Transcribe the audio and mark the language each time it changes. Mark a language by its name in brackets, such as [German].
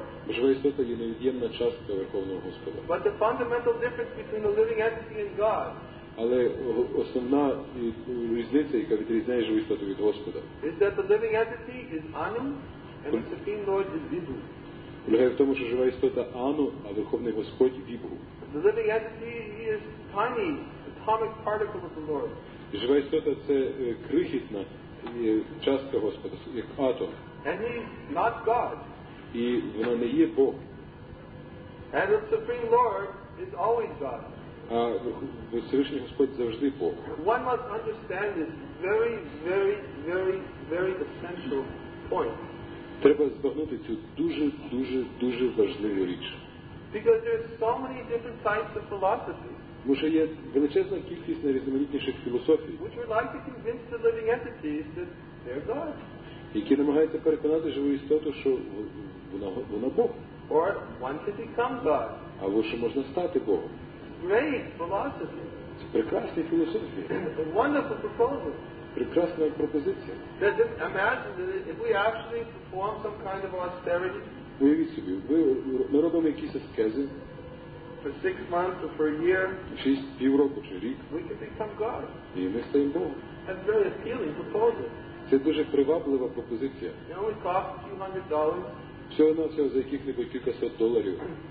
[Ukrainian] Жива істота є невід'ємна частка Верховного Господа. [English] But the fundamental difference between the living entity and God. [Ukrainian] Але основна різниця, яка відрізняє живу істоту від Господа, [English] is that the living entity is Anu and the Supreme Lord is Vibhu. [Ukrainian] Полягає в тому, що жива істота Ану, а Верховний Господь Вібху. [English] The living entity is tiny, atomic particle of the Lord. [Ukrainian] Жива істота – це крихітна частка Господа, як атом. [English] And he is not God. [Ukrainian] І вона не є Бог. [English] And the Supreme Lord is always God. [Ukrainian] А Всевишній Господь завжди Бог. [English] One must understand this very, very, very, very essential point. [Ukrainian] Треба збагнути цю дуже, дуже, дуже важливу річ. [English] Because there are so many different types of philosophy. [Ukrainian] Тому що є величезна кількість найрізноманітніших філософій, [English] which would like to convince the living entities that they're God. [Ukrainian] Які намагаються переконати живу істоту, що вона Бог. [English] Or one can become God. [Ukrainian] Або що можна стати Богом. [English] Great philosophy. [Ukrainian] Це прекрасна філософія. [English] A wonderful proposal. [Ukrainian] Прекрасна пропозиція. [English] That imagine that if we actually perform some kind of austerity. [Ukrainian] Уявіть собі, ми робимо якісь аскези. [English] For 6 months or for a year. [Ukrainian] Півроку чи рік. [English] We can become God. [Ukrainian] І ми стаємо Богом. [English] That's very appealing proposal. [Ukrainian] Це дуже приваблива пропозиція. [English] It only costs a few hundred dollars. [Ukrainian] Всього-навсього за яких-небудь кількасот доларів.